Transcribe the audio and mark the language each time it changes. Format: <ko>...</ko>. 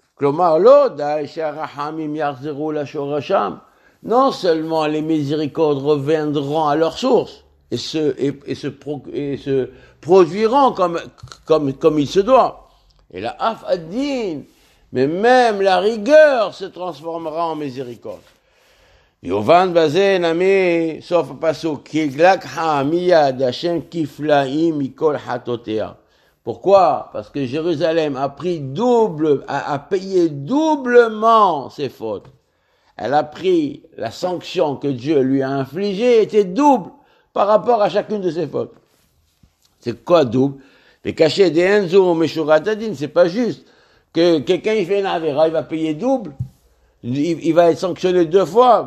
<fr>Non seulement les miséricordes reviendront à leur source et se produiront comme il se doit. Et la Af Adin, mais même la rigueur se transformera en miséricorde.</fr> <he>יובן בזה נמי סוף הפסוק, כי לקח מיד השם כפלאים מכל חטאותיה.</he> <fr>Pourquoi? Parce que Jérusalem a pris double, a payé doublement ses fautes. Elle a pris la sanction que Dieu lui a infligée était double par rapport à chacune de ses fautes. C'est quoi double? Mais caché des enzo meshuratadin, c'est pas juste que quelqu'un il fait une avéra, il va payer double, il va être sanctionné deux fois.</fr>